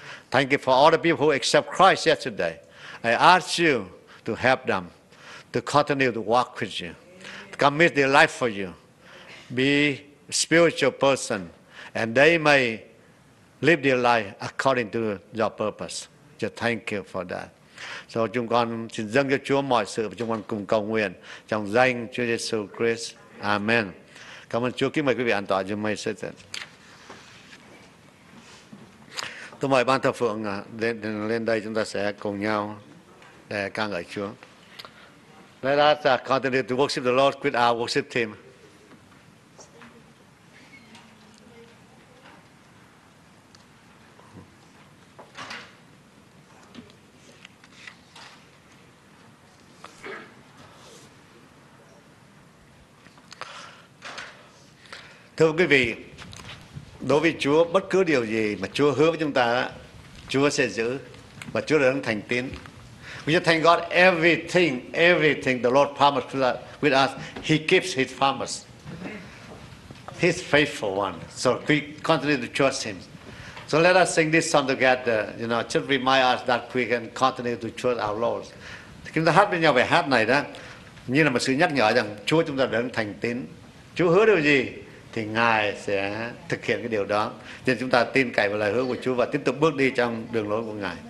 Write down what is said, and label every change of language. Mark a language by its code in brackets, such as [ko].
[en] Thank you for all the people who accept Christ yesterday. I ask you to help them to continue to walk with you, to commit their life for you, be a spiritual person, and they may live their life according to your purpose. Just thank you for that. [vi] So chúng con xin dâng cho Chúa mọi sự và chúng con cùng cầu nguyện trong danh Chúa Giêsu Christ. Amen. Cảm ơn Chúa, kính mời quý vị an tọa. [en] You may sit down. [vi] Tôi mời ban thờ phượng lên đây, chúng ta sẽ cùng nhau để ca ngợi Chúa. [en] Let us continue to worship the Lord with our worship team. [vi] Thưa quý vị, đối với Chúa, bất cứ điều gì mà Chúa hứa với chúng ta, Chúa sẽ giữ và Chúa đã thành tín. [en] We just thank God everything the Lord promised with us, He keeps His promise. He's faithful one. So we continue to trust Him. So let us sing this song together, you know, just remind us that we can continue to trust our Lord. [vi] Chúng ta hát với nhau về hát này đó, như là một sự nhắc nhở rằng Chúa chúng ta đã thành tín. Chúa hứa điều gì thì Ngài sẽ thực hiện cái điều đó. Nên chúng ta tin cậy vào lời hứa của Chúa và tiếp tục bước đi trong đường lối của Ngài.